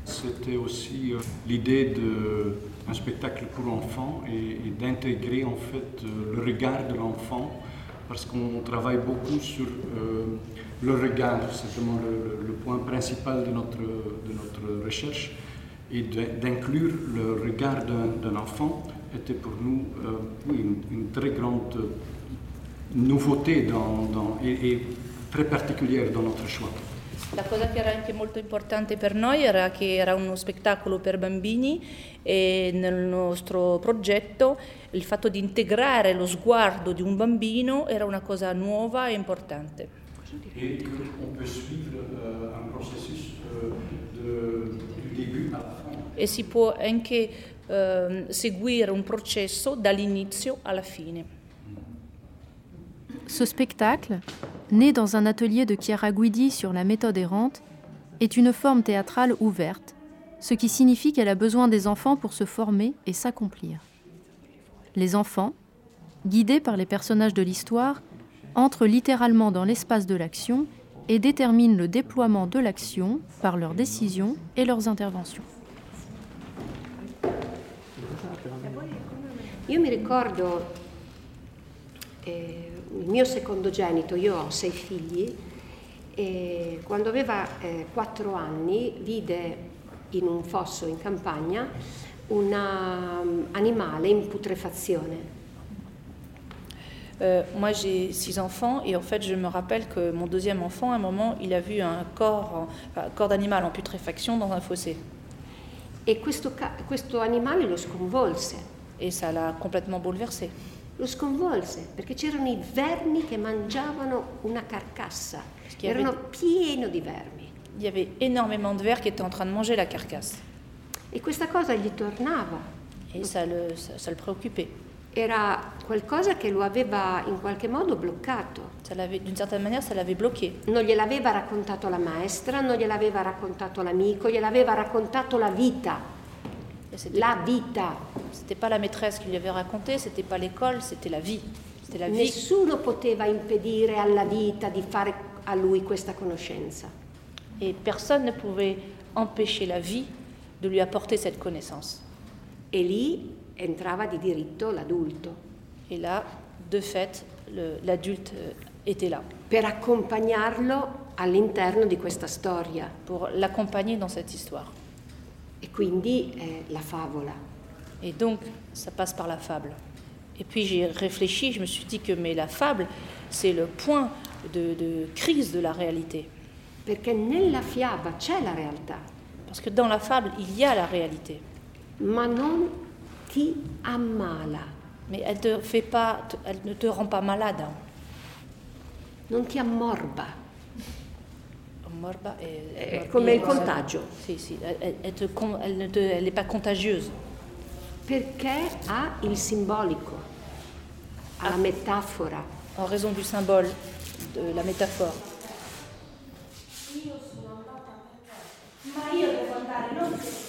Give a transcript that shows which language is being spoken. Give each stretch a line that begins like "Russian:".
French: c'était aussi l'idée d'un spectacle pour enfants et d'intégrer en fait le regard de l'enfant, parce qu'on travaille beaucoup sur le regard, c'est vraiment le point principal de notre recherche, et d'inclure le regard d'un enfant était pour nous une très grande nouveauté et très particulière dans notre choix.
Italian: La cosa che era anche molto importante per noi era che era uno spettacolo per bambini e nel nostro progetto il fatto di integrare lo sguardo di un bambino era una cosa nuova e importante.
French: E on peut suivre un processus du début à la fin.
Italian: E si può anche seguire un processo dall'inizio alla fine.
French: Ce spectacle, né dans un atelier de Chiara Guidi sur la méthode errante, est une forme théâtrale ouverte, ce qui signifie qu'elle a besoin des enfants pour se former et s'accomplir. Les enfants, guidés par les personnages de l'histoire, entrent littéralement dans l'espace de l'action et déterminent le déploiement de l'action par leurs décisions et leurs interventions.
Italian: Io mi ricordo il mio secondo genito, io ho 6 figli, e quando aveva 4 anni vide in un fosso in campagna un animale in putrefazione.
French: Moi j'ai 6 enfants et en fait je me rappelle que mon deuxième enfant à un moment il a vu un corps d'animal en putréfaction dans un fossé.
Italian: Et questo animale lo sconvolse.
French: Et ça l'a complètement bouleversé.
Italian: Lo sconvolse perché c'erano i vermi che mangiavano una carcassa. Erano pieni di vermi.
French: Il y avait énormément de vers qui étaient en train de manger la carcasse.
Italian: E questa cosa gli tornava.
French: E ça le préoccupait.
Italian: Era qualcosa che lo aveva in qualche modo bloccato.
French: D'une certaine manière, ça l'avait bloqué.
Italian: Non gliel'aveva raccontato la maestra, non gliel'aveva raccontato l'amico, gliel'aveva raccontato la vita. La vita.
French: C'était pas la maîtresse qui lui avait raconté, c'était pas l'école, c'était la vie. C'était la vie.
Italian: Nessuno poteva impedire alla vita di fare a lui questa conoscenza.
French: Et personne ne pouvait empêcher la vie de lui apporter cette connaissance.
Italian: Et lì entrava di diritto l'adulto.
French: Et là, de fait, l'adulte était là.
Italian: Per accompagnarlo all'interno di questa storia.
French: Pour l'accompagner dans cette histoire.
Italian: E quindi è la favola.
French: E donc ça passe par la fable. Et puis j'ai réfléchi, je me suis dit que mais la fable c'est le point de crise de la réalité.
Italian: Perché nella fiaba c'è la realtà.
French: Parce que dans la fable il y a la réalité.
Italian: Ma non ti ammala.
French: Mais elle te fait pas, elle ne te rend pas malade. Hein.
Italian: Non ti ammorba. Morba è come il contagio. Sì, sì,
French: elle n'est pas contagieuse.
Italian: Perché ha il simbolico, ha la metafora.
French: En raison du symbole, de la métaphore.
Italian: Io sono andata per te, ma io devo andare, non tu.